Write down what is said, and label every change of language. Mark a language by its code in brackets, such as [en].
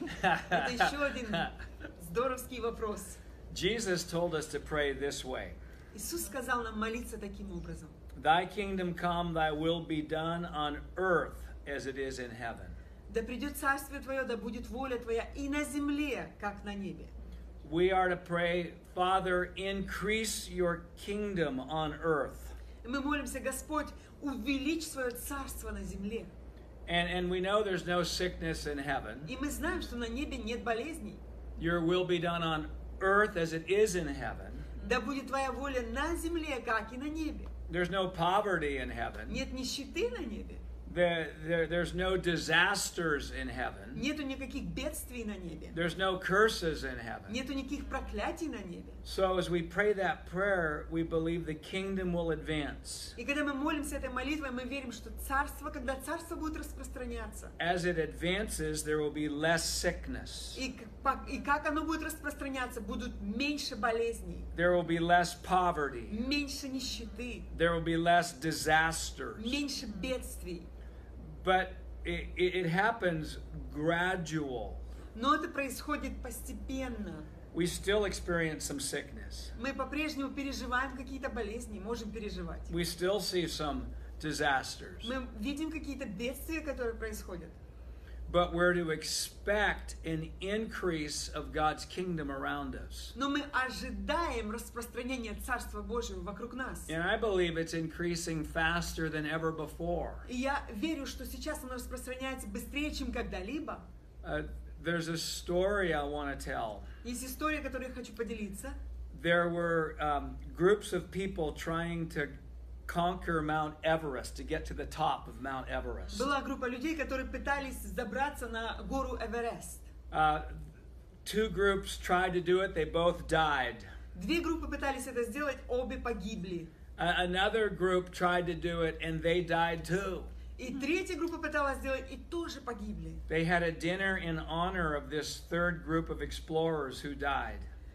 [ru] Это еще один здоровский вопрос. [en] Jesus told us to pray this way. [ru] Иисус сказал нам молиться таким образом. [en] Thy kingdom come, thy will be done on earth as it is in heaven. [ru] Да придет царствие Твое, да будет воля Твоя и на земле, как на небе. [en] We are to pray, Father, increase your kingdom on earth. [ru] Мы молимся, Господь, увеличь своё царство на земле. [en] And we know there's no sickness in heaven. [ru] И мы знаем, что на небе нет болезней. [en] Your will be done on earth as it is in heaven. [ru] Да будет твоя воля на земле, как и на небе. [en] There's no poverty in heaven. [ru] Нет нищеты на небе. [en] There's no disasters in heaven. [ru] Нету никаких бедствий на небе. [en] There's no curses in heaven. [ru] Нету никаких проклятий на небе. [en] So as we pray that prayer, we believe the kingdom will advance. [ru] И когда мы молимся этой молитвой, мы верим, что царство, когда царство будет распространяться. [en] As it advances, there will be less sickness. [ru] И как оно будет распространяться, будут меньше болезней. [en] There will be less poverty. [ru] Меньше нищеты. [en] There will be less disasters. [ru] Меньше бедствий. [en] But it happens gradual. [ru] Но это происходит постепенно. [en] We still experience some sickness. [ru] Мы по-прежнему переживаем какие-то болезни, можем переживать. [en] We still see some disasters. [ru] Мы видим какие-то бедствия, которые происходят. [en] But we're to expect an increase of God's kingdom around us. [ru] Но мы ожидаем распространения Царства Божьего вокруг нас. [en] And I believe it's increasing faster than ever before. [ru] И я верю, что сейчас оно распространяется быстрее, чем когда-либо. [en] There's a story I want to tell. [ru] Есть история, которую я хочу поделиться. [en] There were groups of people trying to conquer Mount Everest, to get to the top of Mount Everest. [ru] Была группа людей, которые пытались забраться на гору Эверест. [en] Two groups tried to do it, they both died. [ru] Две группы пытались это сделать, обе погибли. [en] Another group tried to do it, and they died too. [ru] И третья группа пыталась сделать, и тоже погибли. [en] They had a dinner in honor of this third group of explorers who died.